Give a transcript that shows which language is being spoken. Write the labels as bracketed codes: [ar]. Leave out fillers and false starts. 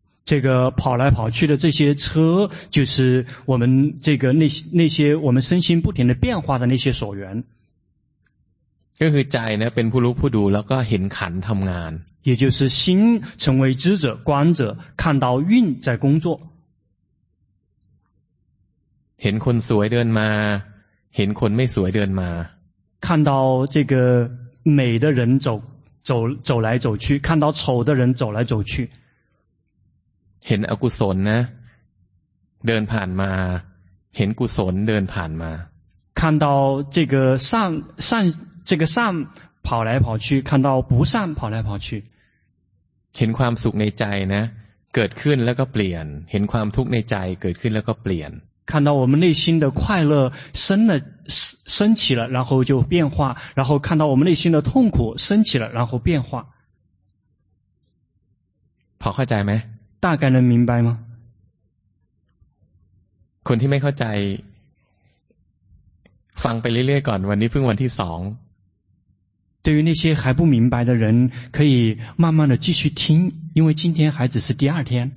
[zh] 这个跑来跑去的这些车就是我们这个那些我们身心不停的变化的那些所缘 [th] ก็คือใจนะเป็นผู้รู้ผู้ดูแล้วก็เห็นขันทำงาน [zh] 也就是心成为知者观者看到运在工作 [th] ห็นคนสวยเดินมาเห็นคนไม่สวยเดินมา [zh] 看到这个美的人走来走去看到丑的人走来走去 [th] เห็นอกุศลนะเดินผ่านมาเห็นกุศลเดินผ่านมา [zh] 看到这个善这个善跑来跑去看到不善跑来跑去 [th] เห็นความสุขในใจนะเกิดขึ้นแล้วก็เปลี่ยนเห็นความทุกข์ในใจเกิดขึ้นแล้วก็เปลี่ยน [zh] 看到我们内心的快乐升起了然后就变化然后看到我们内心的痛苦升起了然后变化 [th] พอเข้าใจไหม [zh] 大概能明白吗 [th] คนที่ไม่เข้าใจฟังไปเรื่อยๆก่อนวันนี้เพิ่งวันที่สอง [zh] 对于那些还不明白的人可以慢慢的继续听因为今天还只是第二天